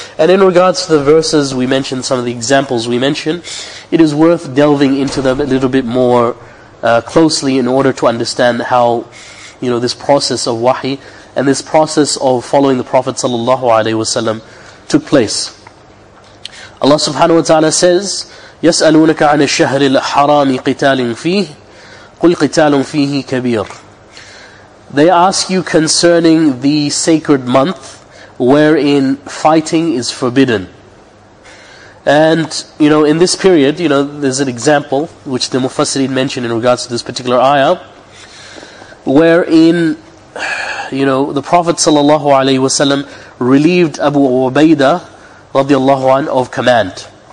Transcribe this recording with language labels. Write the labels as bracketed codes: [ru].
[en] And in regards to the verses we mentioned, some of the examples we mentioned, it is worth delving into them a little bit more closely in order to understand how, you know, this process of wahi and this process of following the Prophet sallallahu alaihi wasallam took place. Allah subhanahu wa ta'ala says, [ar] يَسْأَلُونَكَ عَنِ الشَّهْرِ الْحَرَامِ قِتَالٍ فِيهِ قُلْ قِتَالٌ فِيهِ كَبِيرٌ. [en] They ask you concerning the sacred month wherein fighting is forbidden. And, you know, in this period, you know, there's an example which the Mufassirin mentioned in regards to this particular ayah, wherein, you know, the Prophet sallallahu alaihi wasallam relieved Abu Ubaidah radiallahu anhu of command.